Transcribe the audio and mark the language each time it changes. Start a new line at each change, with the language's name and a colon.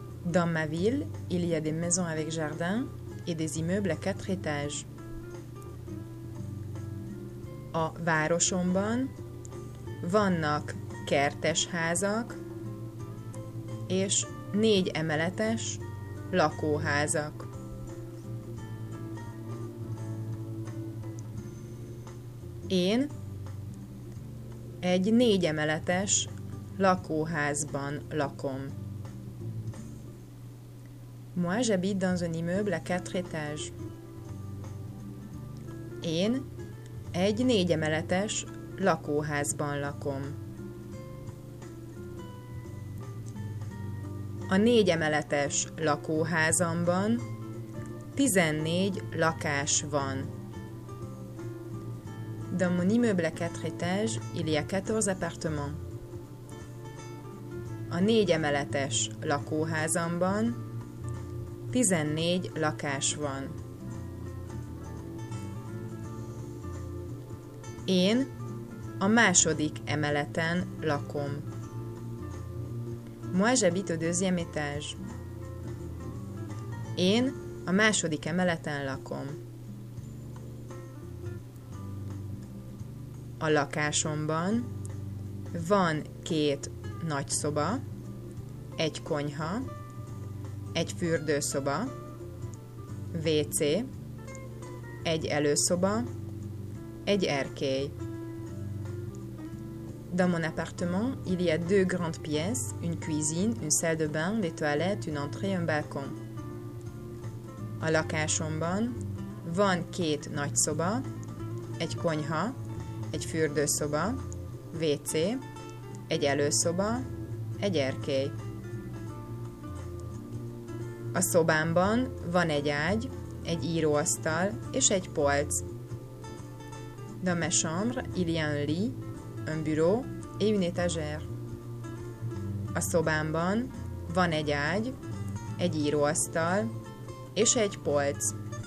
French: Dans ma ville, il y a des maisons avec jardin et des immeubles à 4 étages.
Hungarian: A városomban vannak kertes házak és 4 emeletes lakóházak. Én egy 4 emeletes lakóházban lakom.
French: Moi, j'habite dans un immeuble à 4 étages.
Hungarian: Én egy 4 emeletes lakóházban lakom. A 4 emeletes lakóházamban 14 lakás van.
French: Dans mon immeuble à 4 étages, il y a 14 appartements.
Hungarian: A 4 emeletes lakóházamban 14 lakás van. Én a második emeleten lakom.
French: Moi, j'habite au deuxième étage.
Hungarian: Én a második emeleten lakom. A lakásomban van 2 nagy szoba, 1 konyha, 1 fürdőszoba, WC, 1 előszoba, 1 erkély.
French: Dans mon appartement, il y a 2 grandes pièces, une cuisine, une salle de bain, des toilettes, une entrée, un balcon.
Hungarian: A lakásomban van 2 nagy szoba, 1 konyha, 1 fürdőszoba, WC, 1 előszoba, 1 erkély. A szobámban van 1 ágy, 1 íróasztal és 1 polc.
French: Dans ma chambre, il y a un lit, un bureau et une étagère.
Hungarian: A szobámban van 1 ágy, 1 íróasztal és 1 polc.